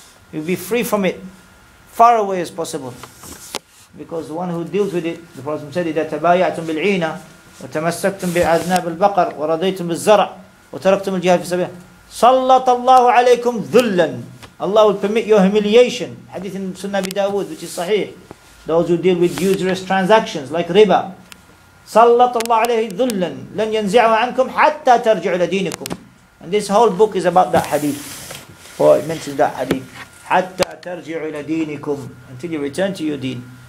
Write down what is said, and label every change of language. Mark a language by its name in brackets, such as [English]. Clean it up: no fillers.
[English] You'll be free from it, far away as possible. Because the one who deals with it, the Prophet said, [Arabic] إِذَا تَبَايَعْتُمْ بِالْعِينَ وَتَمَسَّكْتُمْ بِعَذْنَابِ الْبَقَرِ وَرَضَيْتُمْ بِالزَّرَعِ وَتَرَكْتُمْ الْجِهَادِ فِي سَبِيلِ اللَّهِ سَلَّطَ اللَّهُ عَلَيْكُمْ ذُلًّا. [English] Allah will permit your humiliation. Hadith in Sunnah Abi Dawood, which is sahih. Those who deal with usurious transactions like riba. [Arabic] سَلَّطَ اللَّهُ عَلَيْهِ ذُلًّا لَنْ يَنْزِعَ عَنْكُمْ حَتَّى تَرْجِعُ لَدِينِكُمْ. [English] And this whole book is about that hadith. Oh, it mentions that hadith. [Arabic] حَتَّى تَرْجِعُ لَدِينِكُمْ. [English] Until you return to your deen.